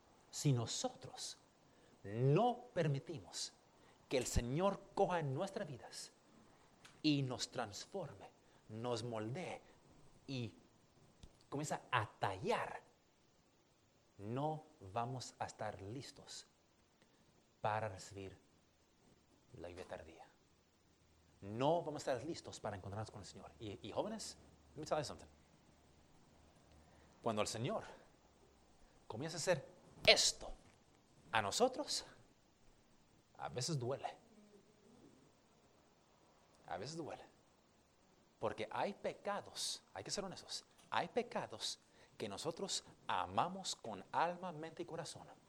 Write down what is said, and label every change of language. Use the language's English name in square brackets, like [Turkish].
[Spanish] Si nosotros no permitimos que el Señor coja nuestras vidas y nos transforme, nos moldee y comienza a tallar, no vamos a estar listos para recibir la lluvia tardía. No vamos a estar listos para encontrarnos con el Señor. Y jóvenes, [English] let me tell you something. [Spanish] Cuando el Señor comienza a hacer esto a nosotros, a veces duele. A veces duele. Porque hay pecados, hay que ser honestos, hay pecados que nosotros amamos con alma, mente y corazón.